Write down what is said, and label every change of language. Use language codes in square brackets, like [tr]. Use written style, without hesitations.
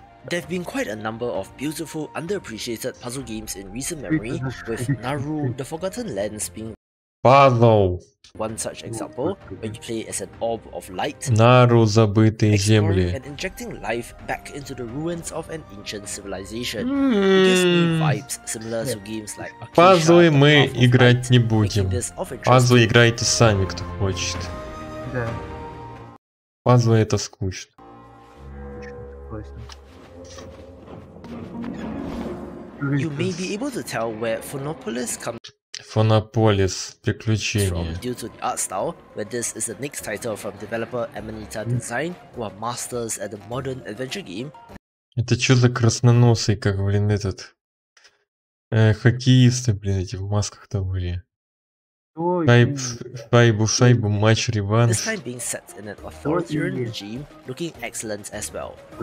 [en] There have been quite a number of beautiful, underappreciated puzzle games in recent memory, with Naru, The Forgotten Lands being... [ru] Пазл. [en] One such example, where you play as an orb of light, [ru] Нару, забытые земли, [en] and injecting life back into the ruins of an ancient civilization. Vibes similar to games like Akisha, [ru] пазлы мы играть не будем. Пазлы играйте сами, кто хочет. Да. Пазлы это скучно. [en] You may be able to tell where Phonopolis comes. [ru] Phonopolis, приключения. [en] Due to the art style, where this is the next title from developer Amanita Design, who are masters at the modern adventure game. [ru] Это чё за красноносый, как, блин, этот... хоккеисты, блин, эти в масках-то были. Шайбу, матч, реванш. [en] This time being set in an authoritarian regime, looking excellent as well.